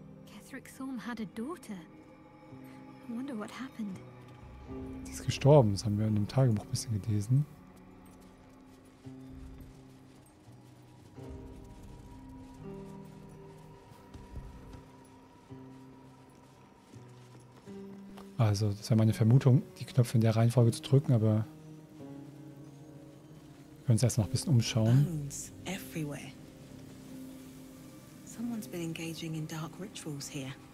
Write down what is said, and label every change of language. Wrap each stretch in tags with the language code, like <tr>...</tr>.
<en>Kethric Thorne had a daughter. I wonder what happened.</en> <de>Sie ist gestorben, das haben wir in dem Tagebuch ein bisschen gelesen. Also, das wäre meine Vermutung, die Knöpfe in der Reihenfolge zu drücken, aber wir können uns erst noch ein bisschen umschauen.</de> <en>Bones everywhere. Someone's been engaging in dark rituals here.</en>